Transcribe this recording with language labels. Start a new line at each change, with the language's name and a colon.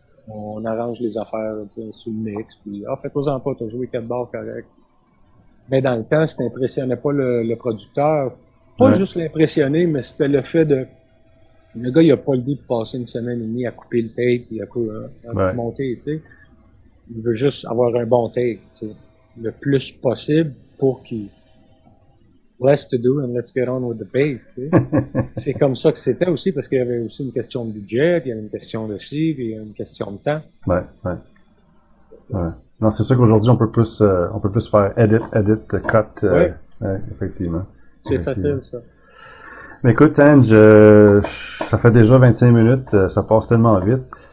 French: On arrange les affaires, tu sais, sous le mix, puis « Ah, fais-toi en pas, t'as joué 4 bars correct. » Mais dans le temps, c'était impressionnant, pas le producteur. Pas juste l'impressionner, mais c'était le fait de... Le gars, il a pas le goût de passer une semaine et demie à couper le tape, puis à monter, tu sais. Il veut juste avoir un bon tape, tu sais, le plus possible pour qu'il...
English: less to do and let's get on with the pace.
French: T'sais. C'est comme ça que c'était aussi, parce qu'il y avait aussi une question de budget, puis il y avait une question de suivi, il y avait une question de temps. Ouais, ouais. Ouais. Non, c'est sûr qu'aujourd'hui, on peut plus faire edit, cut, effectivement. C'est facile, ça. Mais écoute, Ange, ça fait déjà 25 minutes, ça passe tellement vite.